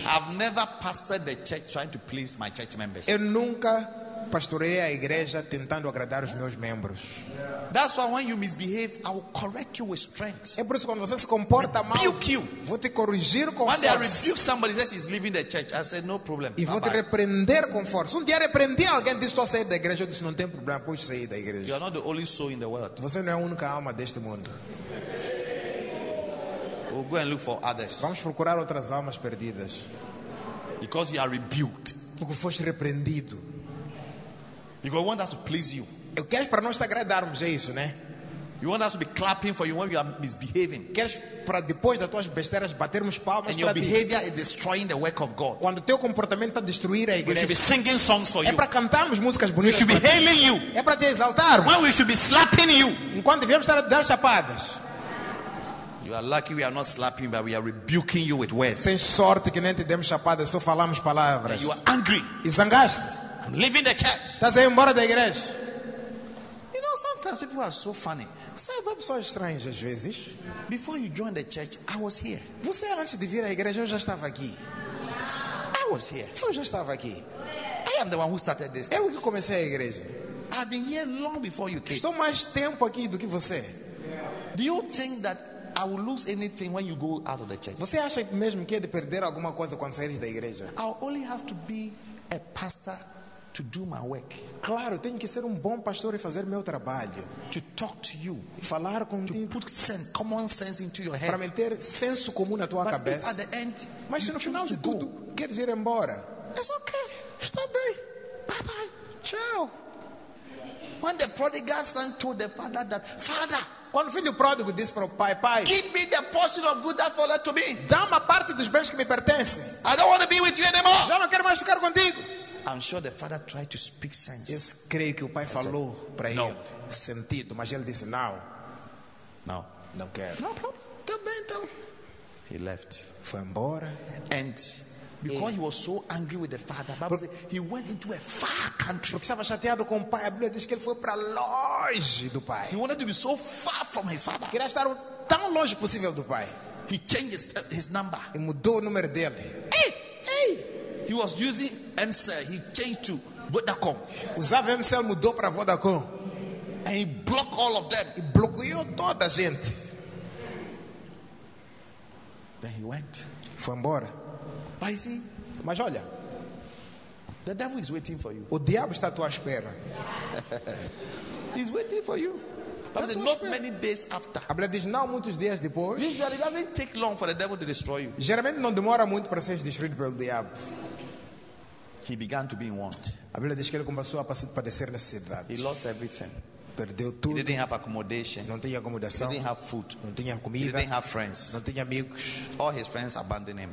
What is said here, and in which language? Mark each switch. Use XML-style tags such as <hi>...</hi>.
<en>I've never pastored the church trying to please my church members.</en> <pt>Eu nunca pastorei a igreja tentando agradar os meus membros.</pt> <en>That's why when you misbehave, I will correct you with strength.</en> <pt>É por isso quando você se comporta mal, vou te corrigir com</pt> <en>when</en> <pt>força.</pt> <en>When I rebuke somebody says he's leaving the church, I said no problem.</en> <pt>E vou te repreender com força. Um dia repreendi alguém disse estou a sair da igreja, eu disse não tem problema, pode sair da igreja.</pt> <en>You are not the only soul in the world.</en> <pt>Você não é a única alma deste mundo.</pt> <en>We'll go and look for others.</en> <pt>Vamos procurar outras almas perdidas.</pt> <en>Because you are rebuked.</en> <pt>Porque foste repreendido.</pt> <en>Because he wants us to please you.</en> <pt>Eu queres para nós te agradarmos, é isso, né?</pt> <en>You want us to be clapping for you when you are misbehaving.</en> <pt>Queres para depois das tuas besteiras batermos palmas.</pt> <en>And your behavior is destroying the work of God.</en> <pt>Quando teu comportamento está a destruir a igreja.</pt> <en>We should be singing songs for you.</en> <pt>É para cantarmos músicas bonitas.</pt> <en>We should be hailing you.</en> <pt>É para te exaltar.</pt> <en>When we should be slapping you.</en> <pt>Enquanto devemos estar a dar chapadas.</pt> <en>You are lucky we are not slapping, but we are rebuking you with words.</en> <pt>Tens sorte que nem te demos chapadas, só falamos palavras.</pt> <en>And you are angry.</en> <pt>E zangaste.</pt> <en>I'm leaving the church.</en> <pt>Estás a ir embora da igreja.</pt> <en>Sometimes people are so funny.</en> <pt>Sabe, pessoas estranhas às vezes.</pt> <en>Before you joined the church, I was here.</en> <pt>Você antes de vir à igreja, eu já estava aqui.</pt> <en>I was here.</en> <pt>Eu já estava aqui.</pt> <en>I am the one who started this.</en> <pt>Eu que comecei a igreja.</pt> <en>I've been here long before you came.</en> <pt>Estou mais tempo aqui do que você.</pt> <en>Do you think that I will lose anything when you go out of the church?</en> <pt>Você acha mesmo que é de perder alguma coisa quando saíres da igreja?</pt> <en>I only have to be a pastor. To do my work.</en> <pt>Claro, tenho que ser bom pastor e fazer meu trabalho.</pt> <en>To talk to you,</en> <pt>falar contigo.</pt> <en>To put sense, common sense into your head.</en> <pt>Para meter senso comum na tua</pt> <en>But</en> <pt>cabeça.</pt> <en>At the end,</en> <pt>mas se no final de tudo queres ir embora,</pt> <en>it's okay.</en> <pt>Está bem.</pt> <en>Bye bye.</en> <pt>Tchau.</pt> <en>When the prodigal son told the father that, father.</en> <pt>Quando o filho pródigo disse para o pai, pai,</pt> <en>give me the portion of good that falleth to me.</en> <pt>Dá-me a parte dos bens que me pertence.</pt> <en>I don't want to be with you anymore.</en> <pt>Já não quero mais ficar contigo.</pt> <en>I'm sure the father tried to speak sense.</en> <pt>Eu creio que o pai falou para ele sentido, mas ele disse não. Não, não quero.</pt> <en>No problem.</en> <pt>Também então.</pt> <en>He left.</en> <pt>Foi embora.</pt> <en>And because he was so angry with the father, Bible says he went into a far country.</en> <pt>Porque estava chateado com o pai, a Bíblia diz que ele foi para longe do pai.</pt> <en>He wanted to be so far from his father.</en> <pt>Queria estar tão longe possível do pai.</pt> <en>He changed his number.</en> <pt>E mudou o número dele.</pt> <en>Hey, hey. He was using MCL. He changed to Vodacom.</en> <pt>Usava MCL, mudou para Vodacom.</pt> <en>And he blocked all of them.</en> <pt>E bloqueou toda a gente.</pt> <en>Then he went.</en> <pt>Foi embora.</pt> <en>But you see,</en> <pt>mas olha.</pt> <en>The devil is waiting for you.</en> <pt>O diabo está à tua espera.</pt> <en>He's waiting for you. But not many days after.</en> <pt>A Bíblia diz, não muitos dias depois.</pt> <en>Usually it doesn't take long for the devil to destroy you.</en> <pt>Geralmente não demora muito para ser destruído pelo diabo.</pt> <en>He began to be in want.</en> <pt>A Bíblia diz que ele começou a padecer necessidade.</pt> <en>He lost everything.</en> <pt>Perdeu tudo.</pt> <en>He didn't have accommodation.</en> <pt>Não tinha acomodação.</pt> <en>He didn't have food.</en> <pt>Não tinha comida.</pt> <en>He didn't have friends.</en> <pt>Não tinha amigos.</pt> <en>All his friends abandoned him.</en>